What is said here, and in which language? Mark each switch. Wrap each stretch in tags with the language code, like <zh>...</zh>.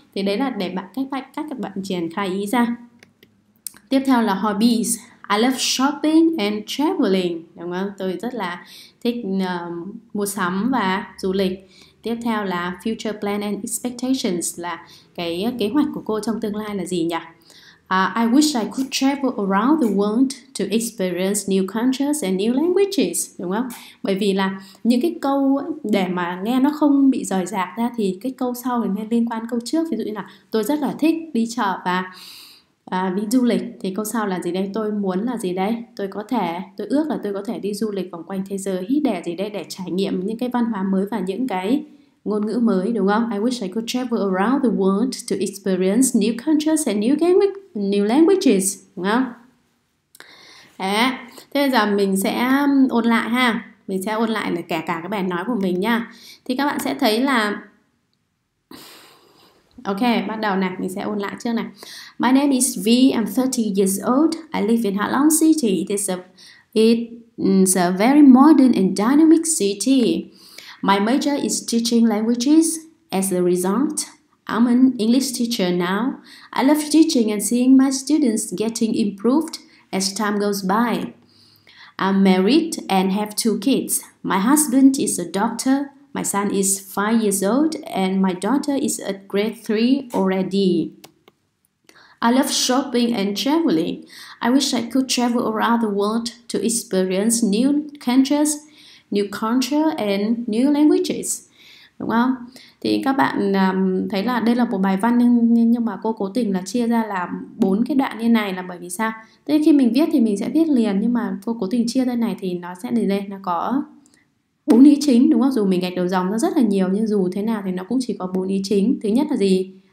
<vi>Thì đấy là để bạn các bạn triển khai ý ra. Tiếp theo là hobbies.</vi> <en>I love shopping and traveling,</en> <vi>đúng không? Tôi rất là thích mua sắm và du lịch. Tiếp theo là</vi> <en>future plan and expectations,</en> <vi>là cái kế hoạch của cô trong tương lai là gì nhỉ?</vi> <en>I wish I could travel around the world to experience new cultures and new languages,</en> <vi>đúng không? Bởi vì là những cái câu để mà nghe nó không bị rời rạc ra thì cái câu sau nên liên quan câu trước. Ví dụ như là tôi rất là thích đi chợ và đi du lịch, thì câu sau là gì đây? Tôi muốn là gì đây? Tôi ước là tôi có thể đi du lịch vòng quanh thế giới, hít đẻ gì đây, để trải nghiệm những cái văn hóa mới và những cái ngôn ngữ mới, đúng không?</vi> <en>I wish I could travel around the world to experience new cultures and new languages,</en> <vi>đúng không? À, thế bây giờ mình sẽ ôn lại ha. Mình sẽ ôn lại là kể cả cái bài nói của mình nha. Thì các bạn sẽ thấy là ok, bắt đầu nè, mình sẽ ôn lại trước này.</vi> <en>My name is V, I'm 30 years old. I live in Hạ Long City. It's a very modern and dynamic city. My major is teaching languages. As a result, I'm an English teacher now. I love teaching and seeing my students getting improved as time goes by. I'm married and have two kids. My husband is a doctor. My son is 5 years old and my daughter is at grade 3 already. I love shopping and traveling. I wish I could travel around the world to experience new countries, new culture and new languages.</en> <vi>Đúng không? Thì các bạn thấy là đây là một bài văn nhưng mà cô cố tình là chia ra làm bốn cái đoạn như này là bởi vì sao? Thế khi mình viết thì mình sẽ viết liền nhưng mà cô cố tình chia ra này thì nó sẽ để lên nó có bốn ý chính đúng không? Dù mình gạch đầu dòng ra rất là nhiều nhưng dù thế nào thì nó cũng chỉ có bốn ý chính. Thứ nhất là gì?</vi>